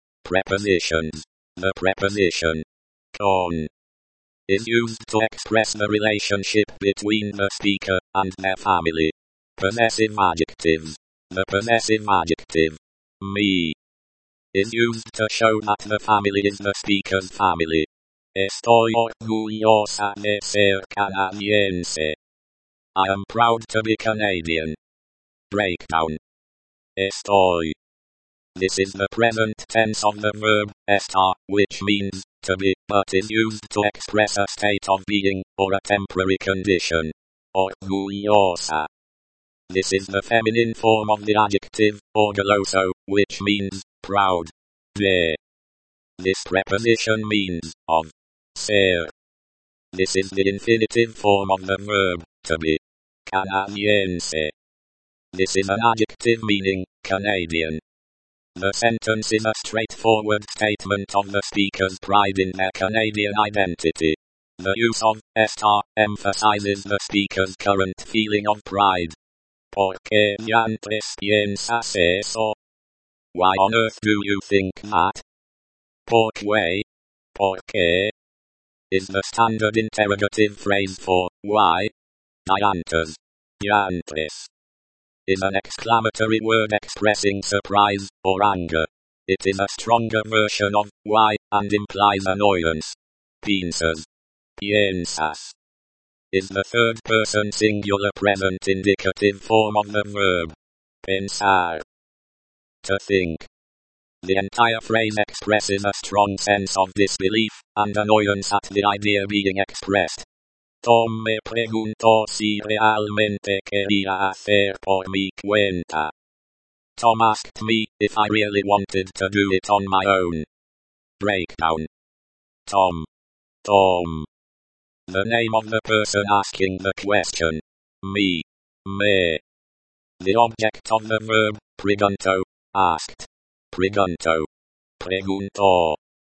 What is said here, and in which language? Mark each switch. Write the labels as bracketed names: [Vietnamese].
[English] Prepositions. The preposition. Con. Is used to express the relationship between the speaker and their family. Possessive adjectives. The possessive adjective, me, is used to show that the family is the speaker's family. [Spanish] Estoy orgullosa de ser canadiense. [English] I am proud to be Canadian. Breakdown. Estoy. This is the present tense of the verb, estar, which means, to be, but is used to express a state of being, or a temporary condition. Orgullosa. This is the feminine form of the adjective, orgulloso, which means, proud. De. This preposition means, of. Ser. This is the infinitive form of the verb, to be. Canadiense. This is an adjective meaning, Canadian. The sentence is a straightforward statement of the speaker's pride in their Canadian identity. The use of, estar, emphasizes the speaker's current feeling of pride. [Spanish] ¿Por qué diantres piensas eso? [English] Why on earth do you think that? ¿Por qué? ¿Por qué? Is the standard interrogative phrase for why? Diantres. Diantres. Is an exclamatory word expressing surprise or anger. It is a stronger version of why and implies annoyance. Piensas. Piensas. Is the third person singular present indicative form of the verb. Pensar. To think. The entire phrase expresses a strong sense of disbelief and annoyance at the idea being expressed. [Spanish] Tom me preguntó si realmente quería hacer por mi cuenta. [English] Tom asked me if I really wanted to do it on my own. Breakdown. Tom. Tom. The name of the person asking the question. Me. Me. The object of the verb, pregunto, asked. Pregunto. Pregunto.